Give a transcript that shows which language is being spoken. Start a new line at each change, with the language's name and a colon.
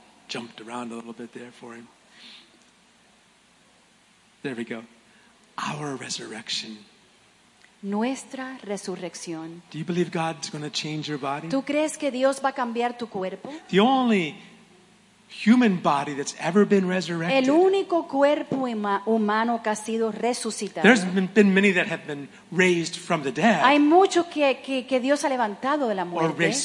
English: Jumped around a little bit there for him. There we go. Our resurrection.
Spanish: Nuestra resurrección.
English: Do you believe God's going to change your body?
Spanish: ¿Tú crees que Dios va a cambiar tu cuerpo?
English: The only human body that's ever been resurrected.
Spanish: El único cuerpo humano que ha sido resucitado.
English: There's been many that have been raised from the dead.
Spanish: Hay muchos que Dios ha levantado de la muerte.